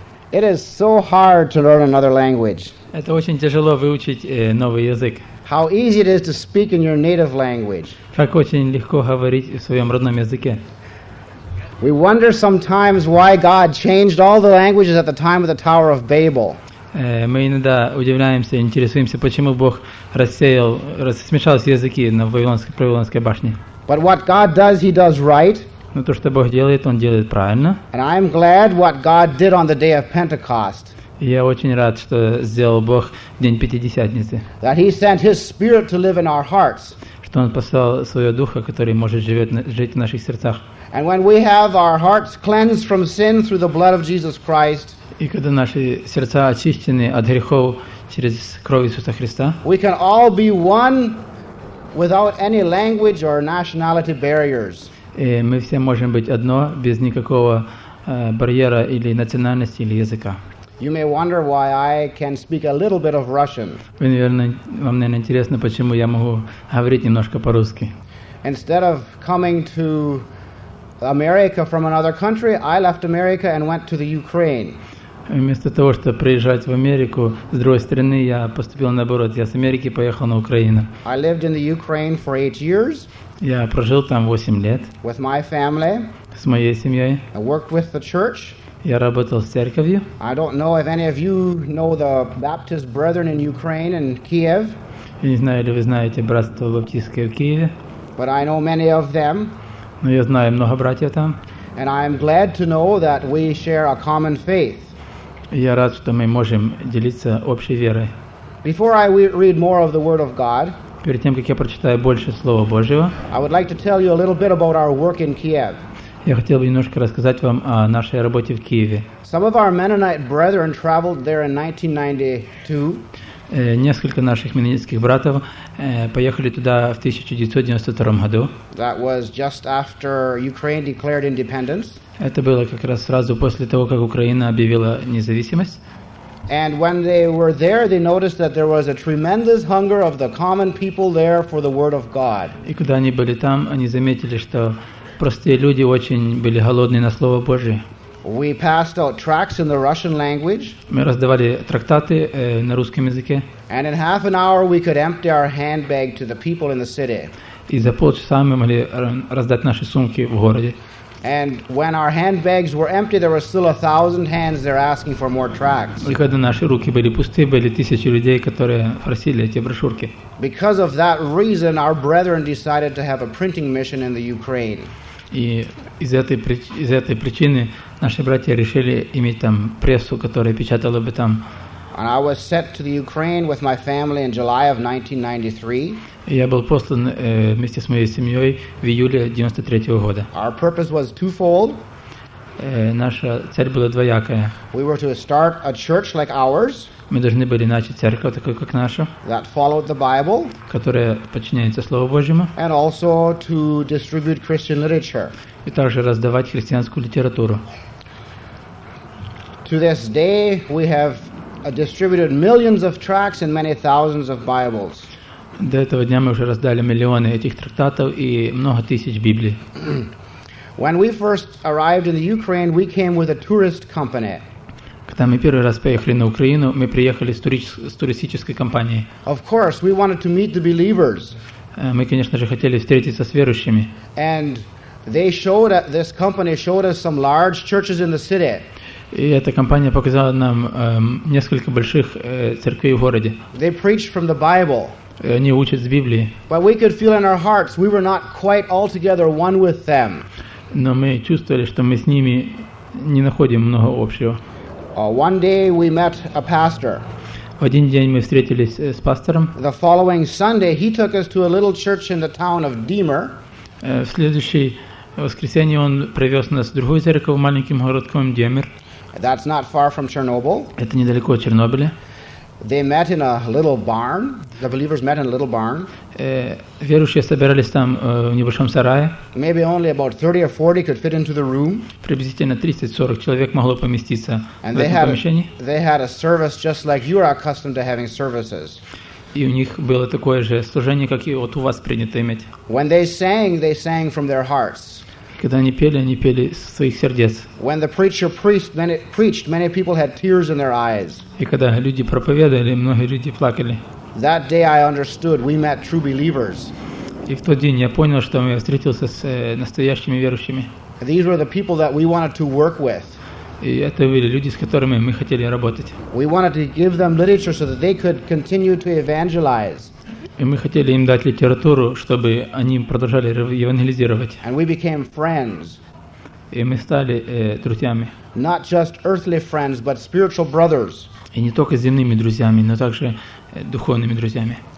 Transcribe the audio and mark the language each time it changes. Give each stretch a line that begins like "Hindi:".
English: It is so hard to learn another language.
Russian: Это очень тяжело выучить новый язык.
English: How easy it is to speak in your native language.
Russian: Как очень легко говорить в своем родном языке.
English: We wonder sometimes why God changed all the languages at the time of the Tower of Babel.
Russian: Мы иногда удивляемся, интересуемся, почему Бог рассеял, смешал языки на Вавилонской башне.
English: But what God does, He does right.
Russian: Но то, что Бог делает, Он делает правильно.
English: And I'm glad what God did on the day of Pentecost.
Russian: Я очень рад, что сделал Бог день Пятидесятницы.
English: That He sent His Spirit to live in our hearts.
Russian: Что Он послал Своего Духа, который может жить в наших сердцах.
English: And when we have our hearts cleansed from sin through the blood of Jesus Christ.
Russian: И когда наши сердца очищены от грехов через кровь Иисуса Христа.
English: We can all be one without any language or nationality barriers.
Russian: И мы все можем быть одно без никакого барьера или национальности или языка.
English: You may wonder why I can speak a little bit of Russian.
Russian: Вы, наверное, вам, наверное, интересно, почему я могу говорить немножко по-русски.
English: Instead of coming to America from another country, I left America and went to the Ukraine.
Russian: Вместо того, чтобы приезжать в Америку с другой стороны, я поступил наоборот. Я с Америки поехал на Украину.
English: I lived in the Ukraine for 8 years.
Russian: Я прожил там 8 лет.
English: With my family.
Russian: С моей семьей.
English: I worked with the church.
Russian: Я работал с церковью.
English: I don't know if any of you know the Baptist brethren in Ukraine and Kiev.
Russian: Я не знаю, ли вы знаете братство баптистское в Киеве.
English: But I know many of them.
Russian: Но я знаю много братьев там.
English: And I'm glad to know that we share a common faith.
Russian: Я рад, что мы можем делиться общей верой.
English: Before I read more of the Word of God,
Russian: перед тем, как я прочитаю больше Слова Божьего,
English: I would like to tell you a little bit about our work in Kiev.
Russian: Я хотел бы немножко рассказать вам о нашей работе в Киеве.
English: Some of our Mennonite brethren traveled there in 1992.
Russian: Несколько наших мененитских братьев поехали туда в 1992 году.
English: That was just after Ukraine declared independence.
Russian: Это было как раз сразу после того, как Украина объявила независимость.
English: And when they were there, they noticed that there was a tremendous hunger of the common people there for the Word of God.
Russian: И когда они были там, они заметили, что простые люди очень были голодны на Слово Божие.
English: We passed out tracts in the Russian language.
Russian: Мы раздавали трактаты на русском языке.
English: And in half an hour, we could empty our handbag to the people in the city.
Russian: и за полчаса мы могли раздать наши сумки в городе.
English: And when our handbags were empty, there were still 1,000 hands there asking for more tracts.
Russian: И когда наши руки были пусты, были тысячи людей, которые просили эти брошюрки.
English: Because of that reason, our brethren decided to have a printing mission in the Ukraine.
Russian: И из этой причины наши братья решили иметь там прессу, которая печатала бы там.
English: And I was sent to the Ukraine with my family in July of 1993.
Russian: Я был послан вместе с моей семьей в июле 93 года.
English: Our purpose was twofold.
Russian: Наша цель была двоякая.
English: We were to start a church like ours.
Russian: Мы должны были начать церковь такой как наша.
English: That followed the Bible.
Russian: Которая подчиняется Слову Божьему.
English: And also to distribute Christian literature.
Russian: И также раздавать христианскую литературу.
English: To this day, we have distributed millions of tracts and many thousands of Bibles.
Russian: До этого дня мы уже раздали миллионы этих трактатов и много тысяч Библий.
English: When we first arrived in the Ukraine, we came with a tourist company.
Russian: Когда мы первый раз поехали на Украину, мы приехали с туристической компанией.
English: Of course, we wanted to meet the believers.
Russian: Мы, конечно же, хотели встретиться с верующими.
English: And they showed us, this company showed us some large churches in the city.
Russian: И эта компания показала нам несколько больших церквей в городе.
English: They preached from the Bible.
Russian: Они учат с Библии.
English: But we could feel in our hearts we were not quite altogether one with them.
Russian: Но мы чувствовали, что мы с ними не находим много общего.
English: One day we met a pastor.
Russian: В один день мы встретились с пастором.
English: The following Sunday he took us to a little church in the town of Demer.
Russian: В следующий воскресенье он привез нас в другую церковь, в маленьким городком Демер.
English: That's not far from Chernobyl.
Russian: Это недалеко от Чернобыля.
English: They met in a little barn. The believers met in a little barn.
Russian: Верующие собирались там в небольшом сарае.
English: Maybe only about 30 or 40 could fit into the room.
Russian: Приблизительно 30-40 человек могло поместиться
English: and
Russian: в этом помещении.
English: They had a service just like you are accustomed to having services.
Russian: И у них было такое же служение, как и вот у вас принято иметь.
English: When they sang from their hearts.
Russian: Когда они пели из своих сердец.
English: When the preacher preached, many people had tears in their eyes.
Russian: И когда люди проповедовали, многие люди плакали.
English: That day I understood we met true believers.
Russian: И в тот день я понял, что я встретился с настоящими верующими.
English: These were the people that we wanted to work with.
Russian: И это были люди, с которыми мы хотели работать.
English: We wanted to give them literature so that they could continue to evangelize.
Russian: И мы хотели им дать литературу, чтобы они продолжали евангелизировать.
English: And we became friends.
Russian: И мы стали друзьями.
English: Not just earthly friends, but spiritual brothers.
Russian: И не только земными друзьями, но также духовными друзьями.